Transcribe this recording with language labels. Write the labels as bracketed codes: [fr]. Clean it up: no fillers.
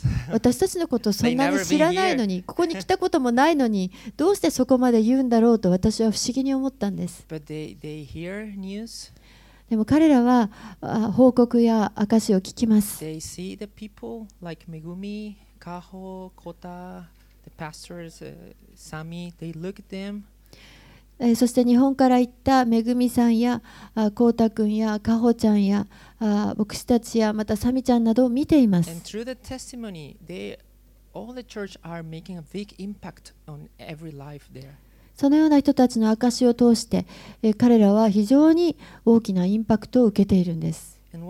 [ja] 私たちのことをそんなに知らないのに、ここに来たこともないのに、どうしてそこまで言うんだろうと私は不思議に思ったんです。 [en] But they hear news. [ja] でも彼らは報告や証を聞きます。 [en] They see the people like Megumi, Kaho, Kota, the pastors, Sami. They look at them. [ja] そして日本から行っためぐみさんやこうたくんやかほちゃんや牧師たちやまたさみちゃんなどを見ています。 [en] And through the testimony, all the church are making a big impact on every life there. [ja] そのような人たちの証を通して、彼らは非常に大きなインパクトを受けているんです。